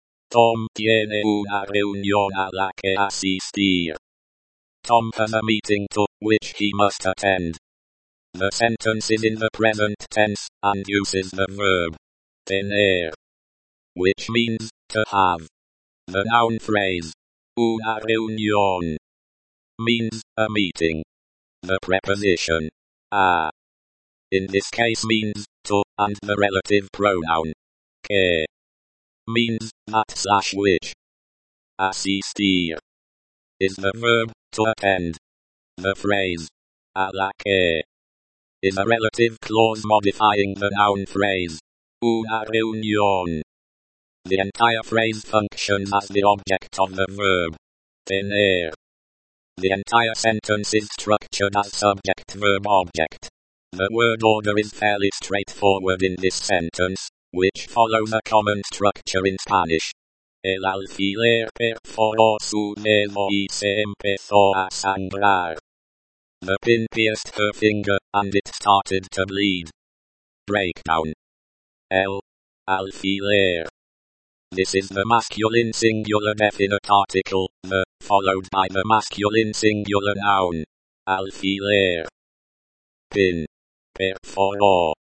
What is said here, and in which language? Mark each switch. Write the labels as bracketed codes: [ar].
[es] Tom tiene una reunión a la que asistir. [en] Tom has a meeting to which he must attend. The sentence is in the present tense and uses the verb [es] tener, [en] which means to have. The noun phrase [es] una reunión [en] means a meeting. The preposition a in this case means to, and the relative pronoun que means that slash which. Asistir is the verb to attend. The phrase a la que is a relative clause modifying the noun phrase una reunión. The entire phrase functions as the object of the verb tener. The entire sentence is structured as subject-verb-object. The word order is fairly straightforward in this sentence, which follows a common structure in Spanish. [es] El alfiler perforó su dedo y se empezó a sangrar. [en] The pin pierced her finger, and it started to bleed. Breakdown. El alfiler. This is the masculine singular definite article, the, followed by the masculine singular noun. [es] Alfiler. Pin. Perforó.